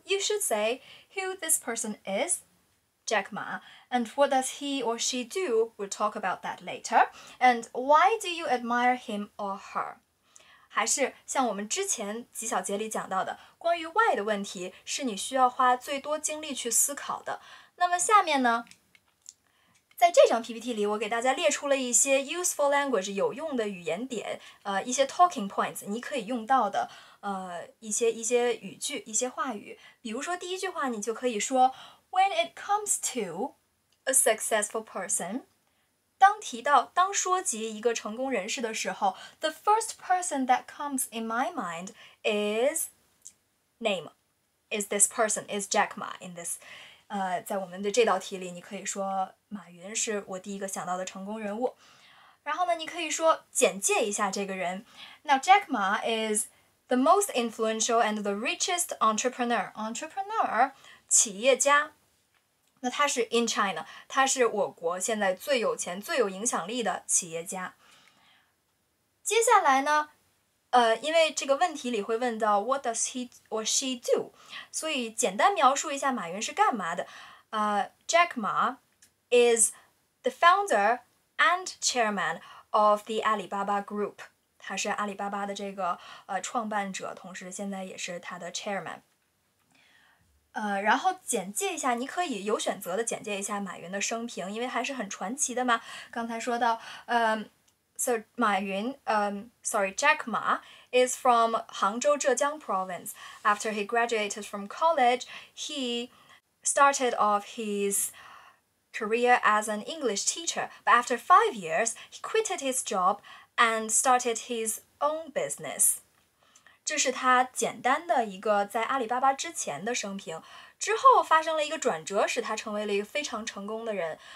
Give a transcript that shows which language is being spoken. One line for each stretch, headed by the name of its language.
English: You should say who this person is, Jack Ma, and what does he or she do. We'll talk about that later. And why do you admire him or her?
Chinese: 还是像我们之前几小节里讲到的，关于 why 的问题是你需要花最多精力去思考的。那么下面呢，在这张 PPT 里我给大家列出了一些
English: useful language
Chinese: 有用的语言点，一些
English: talking points
Chinese: 你可以用到的一些语句，一些话语。比如说第一句话你就可以说
English: When it comes to a successful person，
Chinese: 当提到当说及一个成功人士的时候，
English: The first person that comes in my mind is name is this person is Jack Ma in this
Chinese: 在我们的这道题里，你可以说马云是我第一个想到的成功人物。然后呢，你可以说简介一下这个人。
English: Now Jack Ma is the most influential and the richest entrepreneur.
Chinese: Entrepreneur, 企业家。那他是
English: in China,
Chinese: 他是我国现在最有钱、最有影响力的企业家。接下来呢，因为这个问题里会问到
English: What does he or she do?
Chinese: 所以简单描述一下马云是干嘛的。
English: Jack Ma is the founder and chairman of the Alibaba Group.
Chinese: 他是阿里巴巴的这个创办者，同时现在也是他的 chairman。然后简介一下，你可以有选择的简介一下马云的生平，因为还是很传奇的嘛。刚才说到
English: So 马云 Jack Ma is from 杭州浙江 province. After he graduated from college, he started off his career as an English teacher. But after 5 years, he quitted his job and started his own business.
Chinese: 这是他简单的一个在阿里巴巴之前的生平，之后发生了一个转折，使他成为了一个非常成功的人。